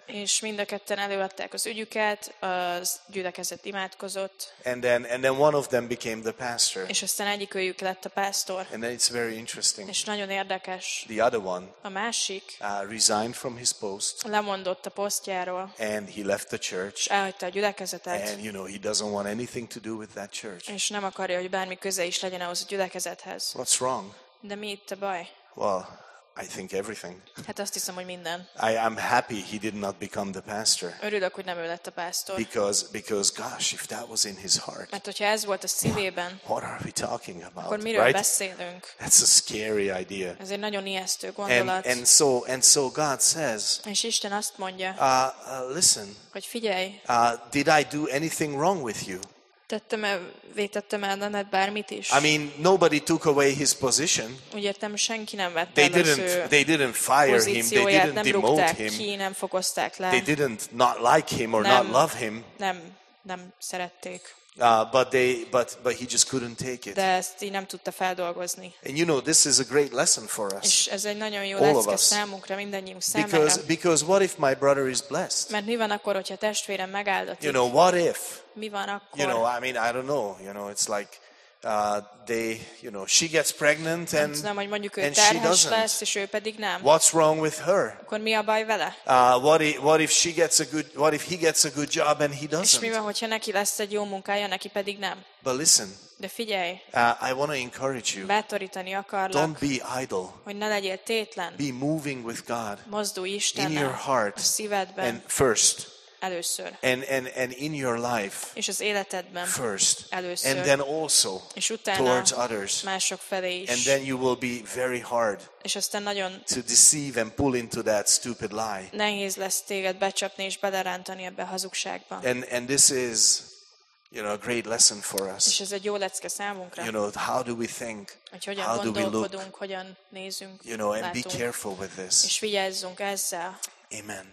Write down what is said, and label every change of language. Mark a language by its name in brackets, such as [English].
[Hungarian] és mind a ketten előadták az ügyüket, az gyülekezet imádkozott. [English] And then one of them became the pastor. [Hungarian] És aztán egyikőjük lett a pásztor. [English] And then it's very interesting. [Hungarian] És nagyon érdekes. [English] The other one, [Hungarian] a másik, [English] resigned from his post. [Hungarian] Lemondott a posztjáról. [English] And he left the church. [Hungarian] Elhagyta a gyülekezetet. [English] And you know, he doesn't want anything to do with that church. [Hungarian] És nem akarja, hogy bármi köze is legyen ahhoz a gyülekezethez. [English] What's wrong? [Hungarian] De mi itt a baj? [English] Well, I think everything. [Hungarian] Hát azt hiszem, hogy minden. [English] I am happy he did not become the pastor. [Hungarian] Örülök, hogy nem ő lett a pásztor. [English] Because gosh, if that was in his heart. [Hungarian] Mert hogyha ez volt a szívében. [English] What are we talking about? [Hungarian] Akkor miről beszélünk? [English] That's a scary idea. [Hungarian] Ez egy nagyon ijesztő gondolat. [English] And so God says. [Hungarian] És Isten azt mondja. [English] Listen. [Hungarian] Hogy figyelj. [English] Did I do anything wrong with you? [Hungarian] Vétettem el lenned bármit is. [English] I mean, nobody took away his position. [Hungarian] Úgy értem, senki nem vette el az ő pozícióját, [English] they didn't fire him, they didn't demote him. [Hungarian] Ki, nem fokozták le. [English] They didn't not like him or not love him. [Hungarian] Nem szerették. [English] But he just couldn't take it. [Hungarian] De ezt így nem tudta feldolgozni. [English] And you know, this is a great lesson for us. [Hungarian] És ez egy nagyon jó lecke számunkra, mindannyiunk számára. [English] Because what if my brother is blessed? [Hungarian] Mert mi van akkor, hogyha testvérem megáldott? [English] You know, what if? [Hungarian] Mi van akkor? [English] You know, I mean, I don't know. You know, it's like they, you know, she gets pregnant and [Hungarian] nem tudom, hogy mondjuk ő terhes lesz, és ő pedig nem. [English] What's wrong with her? [Hungarian] Akkor mi a baj vele? [English] What if he gets a good job and he doesn't? [Hungarian] És mi van, hogyha neki lesz egy jó munkája, neki pedig nem? [English] But listen. [Hungarian] De figyelj. [English] I want to encourage you. [Hungarian] Bátorítani akarlak. [English] Don't be idle. [Hungarian] Hogy ne legyél tétlen. [English] Be moving with God. [Hungarian] Mozdulj Istennel. [English] In your heart. [Hungarian] A szívedben. [English] And first. [Hungarian] Először. [English] And in your life. [Hungarian] És az életedben. [English] First. [Hungarian] Először. [English] And then also. [Hungarian] És utána. [English] Towards others. [Hungarian] Mások felé is. [English] And then you will be very hard. [Hungarian] És aztán nagyon. [English] To deceive and pull into that stupid lie. [Hungarian] Nehéz lesz téged becsapni és belerántani ebbe a hazugságba. [English] And this is You know, a great lesson for us. [Hungarian] És ez egy jó lecke számunkra. [English] You know, how do we think? How do we look? [Hungarian] Hogyan nézünk? [English] You know, and be careful with this. [Hungarian] És vigyázzunk ezzel. [English] Amen.